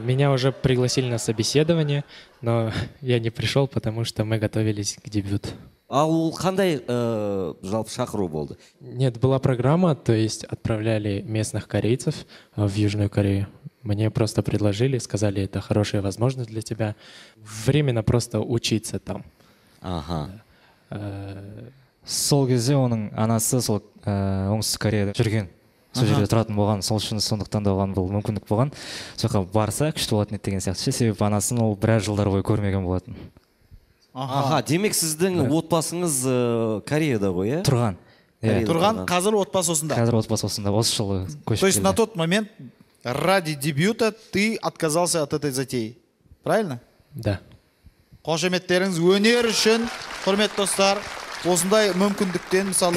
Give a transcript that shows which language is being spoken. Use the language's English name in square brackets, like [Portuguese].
[Russian] Меня уже пригласили на собеседование, но я не пришел, потому что мы готовились к дебют. [Kazakh] А у Хандай жал в шахру болды? [Russian] Нет, была программа, то есть отправляли местных корейцев в Южную Корею. Мне просто предложили, сказали, это хорошая возможность для тебя. Временно просто учиться там. Ага. [Kazakh] Сол кезде оның анасы сол оңсыз Кореяда жүрген. Сол жерде тұратын болған, сол үшін сондықтан да оған бұл мүмкіндік болған. Сонда барса күшті болатын еді деген сияқты. Себебі анасын ол біраз жылдар бойы көрмеген болатын. Аха, демек сіздің отбасыңыз Кореяда ғой, иә? Тұрған. Тұрған, қазір отбасы осында. Қазір отбасы осында, осы жылы көшіп келді. [Russian] То есть на тот момент ради дебюта ты отказался от этой затеи, правильно? Да. [Kazakh] Қошеметтеріңіз өнер үшін, құрметті достар, осындай мүмкіндіктен мысалы...